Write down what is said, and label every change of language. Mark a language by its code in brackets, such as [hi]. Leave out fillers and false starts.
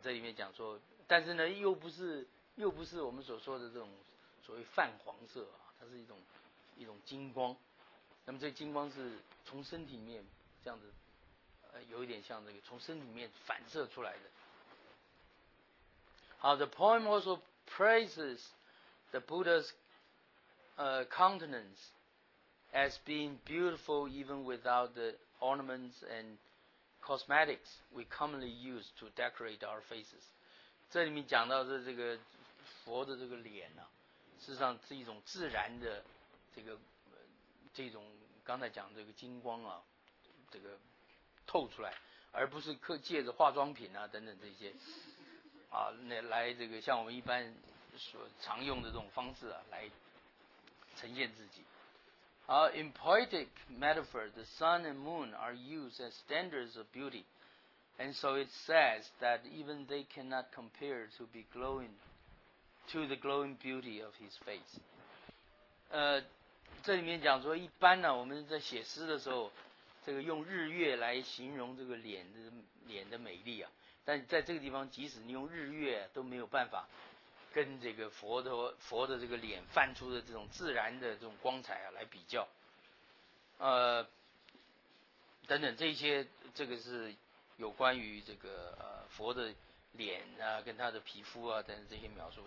[zh] 这里面讲说，但是呢又不是我们所说的这种所谓泛黄色啊，它是一种金光。那么这金光是从身体里面这样子有一点像这个从身体里面反射出来的。 [en] 好， The poem also praises the Buddha's countenance as being beautiful even without theornaments and cosmetics we commonly use to decorate our faces. [zh] 这里面讲到的这个佛的这个脸呢、啊、事实上是一种自然的这个这种刚才讲的这个金光啊这个透出来，而不是借着化妆品啊等等这些啊来这个像我们一般所常用的这种方式啊来呈现自己。 [en] In poetic metaphor, the sun and moon are used as standards of beauty, and so it says that even they cannot compare to be glowing, to the glowing beauty of his face. [zh] 这里面讲说，一般呢，我们在写诗的时候，这个用日月来形容这个脸的美丽啊，但在这个地方，即使你用日月都没有办法跟这个佛的这个脸泛出的这种自然的这种光彩啊来比较，等等这些，这个是有关于这个佛的脸啊，跟他的皮肤啊等等这些描述。